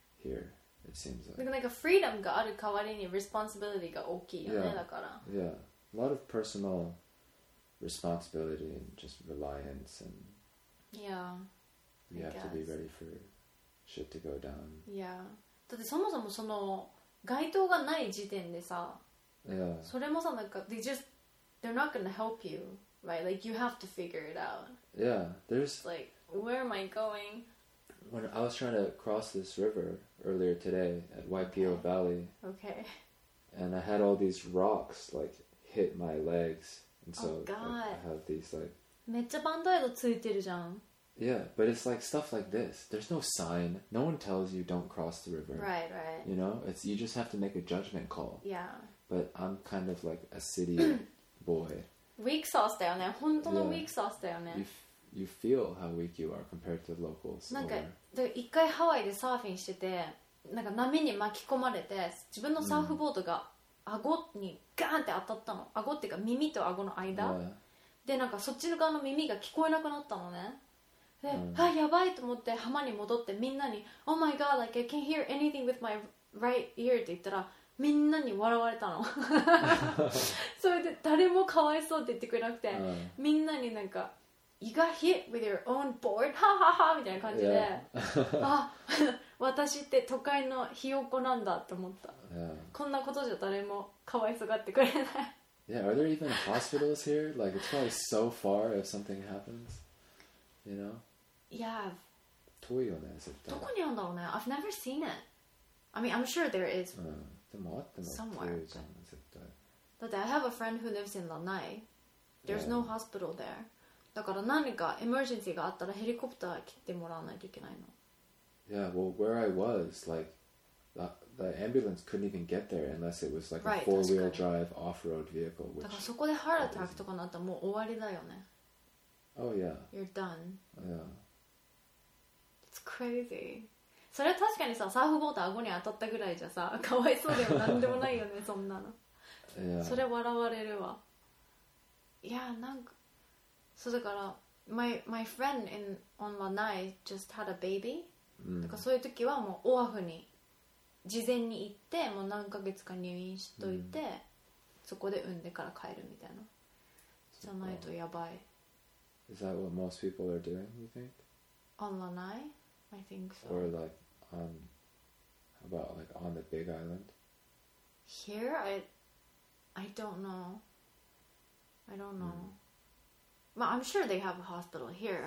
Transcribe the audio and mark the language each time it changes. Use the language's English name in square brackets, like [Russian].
[English] Here, it seems like. Like a freedom [Japanese] がある代わりに responsibility が大きいよね、 [English] yeah. [Japanese] だから。 [English] Yeah. A lot of personal responsibility and just reliance and yeah, you have to be ready for shit to go down. Yeah. [Japanese] だってそもそもその街灯がない時点でさ、 [English] yeah. [Japanese] それもさなんか [English] they're not gonna help you, right? Like you have to figure it out. Yeah. There's like where am I going? When I was trying to cross this river earlier today at Waipio Valley, okay, and I had all these rocks like. Hit my legs, and so oh, God. I have these like. [Japanese] めっちゃバンドエイドついてるじゃん。 [English] Yeah, but it's like stuff like this. There's no sign. No one tells you don't cross the river. Right, right. You know, it's you just have to make a judgment call. Yeah. But I'm kind of like a city boy. Weak sauce [Japanese] だよね。本当の [English] weak sauce [Japanese] だよね。 [English] You feel how weak you are compared to locals. [Japanese] なんか、で一回ハワイでサーフィンしてて、なんか波に巻き込まれて、自分のサーフボードが。顎にガーンって当たったの。顎っていうか耳と顎の間、 [English] yeah. [Japanese] でなんかそっちの側の耳が聞こえなくなったのね。で、あやばいと思って浜に戻ってみんなに [English] Oh my god, like I can't hear anything with my right ear [Japanese] って言ったらみんなに笑われたの。それで誰もかわいそうって言ってくれなくて、みんなになんか [English] You got hit with your own board? [Japanese] ハハハみたいな感じで、 [English] yeah. [Japanese] あ、私って都会のひよこなんだと思った。 [English] Yeah. [Japanese] こんなことじゃ誰もかわいそがってくれない。 [English] Yeah, are there even hospitals here? Like, it's probably so far if something happens. You know? Yeah. [Japanese] 遠いよね、絶対。どこにあるんだろうね。 [English] I've never seen it. I mean, I'm sure there is. [Japanese] うん。でもあっても [English] somewhere, [Japanese] 遠いじゃん、絶対。だって [English] I have a friend who lives in Lanai. There's yeah. no hospital there. [Japanese] だから何かエマージェンシーがあったらヘリコプター来てもらわないといけないの。 [English] Yeah, well, where I was, like, the ambulance couldn't even get there unless it was like a right, four-wheel drive off-road vehicle. [Japanese] だからそこでハラタックとかなったらもう終わりだよね。 [English] Oh, yeah. You're done. Yeah. It's crazy. [Japanese] それは確かにさ、サーフボード顎に当たったぐらいじゃさ、かわいそうでもなんでもないよね、そんなの。 [English] Yeah. [Japanese] それ笑われるわ。いや、なんか、そうだから [English] my friend in on Lanai just had a baby、 [Japanese] うん、だからそういう時はもうオアフに事前に行ってもう何ヶ月か入院しといて、うん、そこで産んでから帰るみたいなじゃないとやばい。 [English] Is that what most people are doing, you think? On Lanai? I think so. Or like on how about like on the big island? Here? I don't know、 [Japanese] うん [English] Well, I'm sure they have a hospital here.